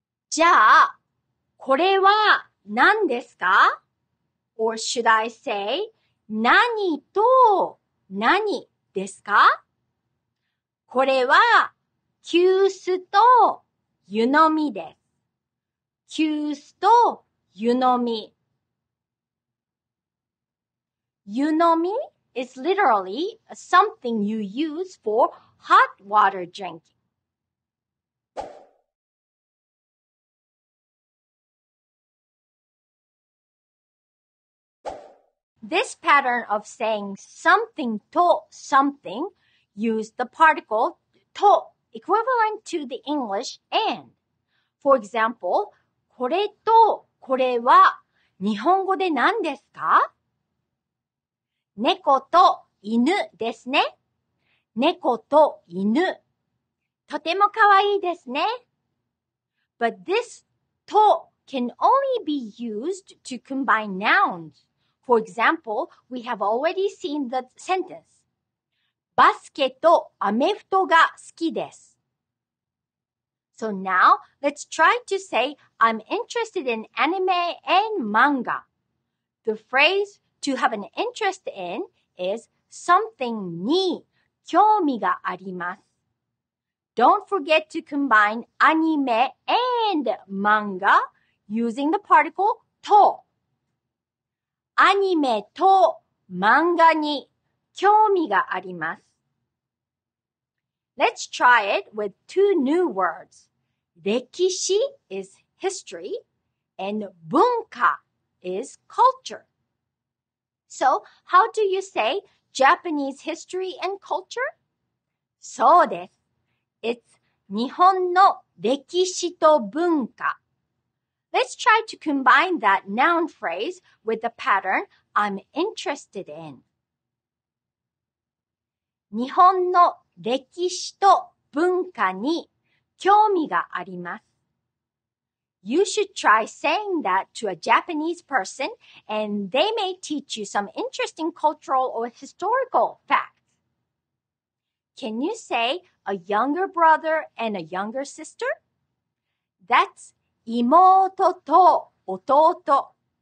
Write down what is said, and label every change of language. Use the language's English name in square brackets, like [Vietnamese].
[Japanese] じゃあ、これは何ですか？ [English] Or should I say, [Japanese] 何と何ですか？これは急須と湯飲みです。急須と湯飲み。 [English] 湯飲み is literally something you use for hot water drinking. This pattern of saying something to something used the particle to, equivalent to the English and. For example, [Japanese] これとこれは日本語で何ですか？猫と犬ですね。猫と犬。とてもかわいいですね。 [English] But this と can only be used to combine nouns. For example, we have already seen the sentence. [Japanese] バスケとアメフトが好きです。 [English] So now, let's try to say, I'm interested in anime and manga. The phrase,To have an interest in is something [Japanese] に興味があります。 [English] Don't forget to combine anime and manga using the particle と。 [Japanese] アニメと漫画に興味があります。 [English] Let's try it with two new words. 歴史 is history and 文化 is culture. So, how do you say Japanese history and culture? [Japanese] そうです。 [English] It's [Japanese] 日本の歴史と文化。 [English] Let's try to combine that noun phrase with the pattern I'm interested in. [Japanese] 日本の歴史と文化に興味があります。 [English] You should try saying that to a Japanese person, and they may teach you some interesting cultural or historical facts. Can you say a younger brother and a younger sister? That's [Japanese] 妹と弟.